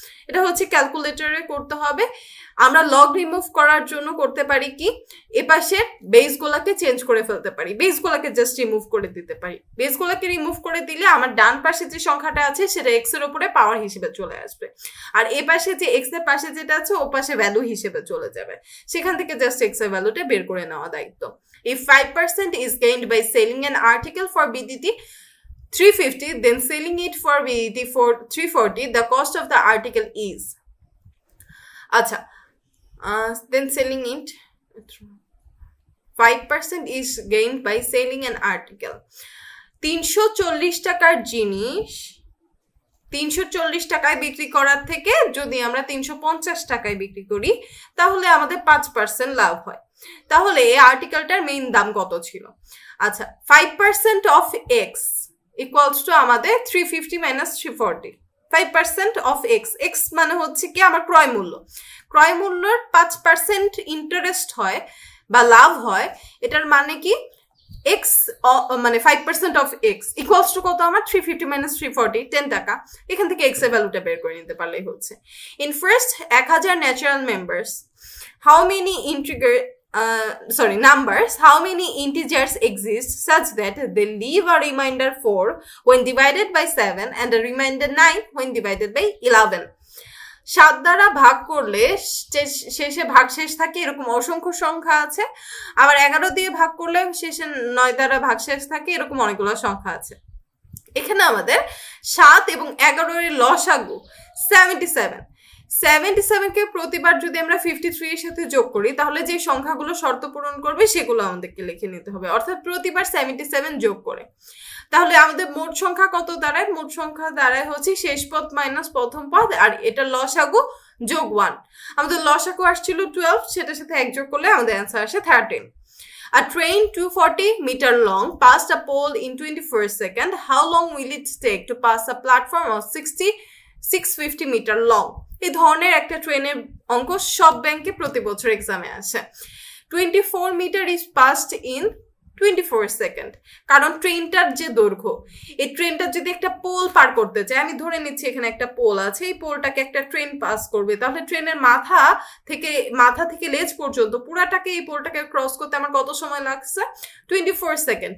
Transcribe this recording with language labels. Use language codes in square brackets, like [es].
[bn] এটা হচ্ছে ক্যালকুলেটরে করতে হবে। আমরা লগ রিমুভ করার জন্য করতে পারি কি, এপাশের বেসগুলোকে চেঞ্জ করে ফেলতে পারি, বেসগুলোকে জাস্ট রিমুভ করে দিতে পারি। বেসগুলোকে রিমুভ করে দিলে আমার ডান পাশে যে সংখ্যাটা আছে সেটা এক্স এর উপরে পাওয়ার হিসেবে চলে আসবে, আর এ পাশে যে এক্স এর পাশে যেটা আছে ও পাশে ভ্যালু হিসেবে চলে যাবে, সেখান থেকে জাস্ট এক্স এর ভ্যালুটা বের করে নেওয়া দায়িত্ব। [en] if 5% is gained by selling an article for বিদিতি 350, then selling it for VAT for 340, the cost of the article is, acha, then selling it, 5% is gained by selling an article, [bn] 340 takar jinish 340 টাকায় বিক্রি করার থেকে যদি আমরা 350 টাকায় বিক্রি করি তাহলে আমাদের 5% লাভ হয়। তাহলে এই আর্টিকেলটার মেইন দাম কত ছিল? আচ্ছা, 5% অফ এক্স ইকুয়ালস টু আমাদের 350-340, 5% অফ এক্স, এক্স মানে হচ্ছে কি আমার ক্রয় মূল্য, ক্রয় মূল্যের 5% ইন্টারেস্ট হয় বা লাভ হয়, এটার মানে কি এক্স মানে 5% অফ এক্স ইকুয়ালস টু কত আমার 350-340, 10 টাকা। এখান থেকে এক্স এর ভ্যালুটা বের করে নিতে পারলেই হচ্ছে। [en] In first 1000 natural numbers how many integer numbers, how many integers exist such that they leave a remainder 4 when divided by 7 and a remainder 9 when divided by 11? [bn] 7 দ্বারা ভাগ করলে শেষে ভাগ শেষ থাকে, এরকম অসংখ্য সংখ্যা আছে, আবার 11 দিয়ে ভাগ করলে শেষে 9 দ্বারা ভাগ শেষ থাকে, এরকম অনেকগুলো সংখ্যা আছে। এখানে আমাদের 7 এবং 11 এর লসাগু 77, 77 কে প্রতিবার যদি আমরা 53 এর সাথে যোগ করি তাহলে যে সংখ্যাগুলো শর্ত পূরণ করবে সেগুলো আমাদেরকে লিখে নিতে হবে, অর্থাৎ প্রতিবার 77 যোগ করে তাহলে আমাদের মোট সংখ্যা কত দাঁড়ায়? মোট সংখ্যা দাঁড়ায় হচ্ছে শেষ পদ মাইনাস প্রথম পদ, আর এটা লসাগু যোগ 1, আমাদের লসাগু আসছিল 12, সেটার সাথে এক যোগ করলে আমাদের অ্যান্সার আসে 13। [en] A train 240 meter long passed a pole in 24 seconds. How long will it take to pass a platform of 650 meter long? [bn] এই ধরনের একটা ট্রেনের অঙ্ক সব ব্যাংকে প্রতি বছর এক্সামে আসে। [en] 24 metre is passed in [bn] 24 second, কারণ ট্রেনটার যে দৈর্ঘ্য, এই ট্রেনটা যদি একটা পোল পার করতে চায়, আমি ধরে নিচ্ছি এখানে একটা পোল আছে, এই পোলটাকে একটা ট্রেন পাস করবে, তাহলে ট্রেনের মাথা থেকে লেজ পর্যন্ত পুরাটাকে, এই পোলটাকে ক্রস করতে আমার কত সময় লাগছে? 24 সেকেন্ড।